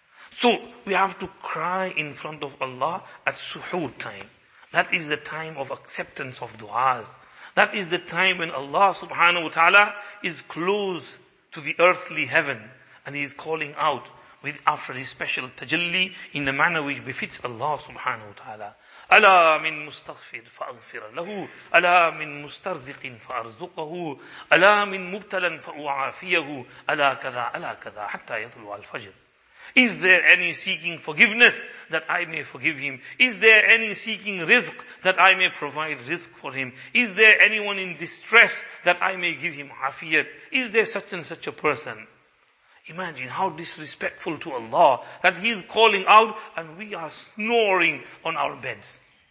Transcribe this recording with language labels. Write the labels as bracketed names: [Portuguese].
[English] So, we have to cry in front of Allah at suhoor time. That is the time of acceptance of du'as. That is the time when Allah subhanahu wa ta'ala is close to the earthly heaven and he is calling out with after his special tajalli in the manner which befits Allah subhanahu wa ta'ala. [Arabic] ألا من مستغفر فأغفر له ألا من مسترزق فأرزقه ألا من مبتلا فأعافيه ألا كذا ألا كذا حتى يطلع الفجر. [English] Is there any seeking forgiveness that I may forgive him? Is there any seeking rizq that I may provide rizq for him? Is there anyone in distress that I may give him afiyat? Is there such and such a person? Imagine how disrespectful to Allah that he is calling out and we are snoring on our beds.